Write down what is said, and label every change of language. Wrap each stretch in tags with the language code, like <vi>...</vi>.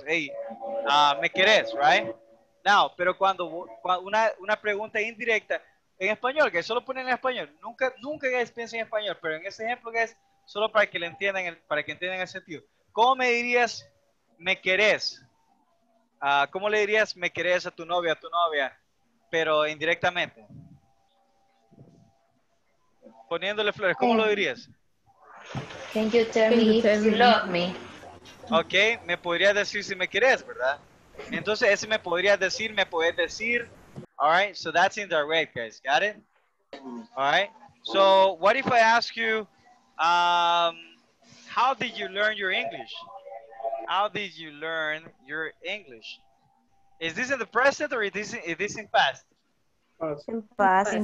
<es>Hey, me querés,</es> <en>right? Now,</en> <es>pero cuando una pregunta indirecta, en español, que solo ponen en español, nunca guys piensen en español, pero en ese ejemplo, guys, solo para que le entiendan el sentido. ¿Cómo me dirías me querés? ¿Cómo le dirías me querés a tu novia, pero indirectamente? Poniéndole flores, ¿cómo lo dirías?</es> <en>Can you tell me if you love me?</en> <es>Ok, me podrías decir si me querés, ¿verdad? Entonces, ese me podrías decir, me puedes decir.</es> <en>All right, so that's indirect, guys. Got it? All right, so what if I ask you, how did you learn your English? How did you learn your English? Is this in the present or is this in past? In past. In</en>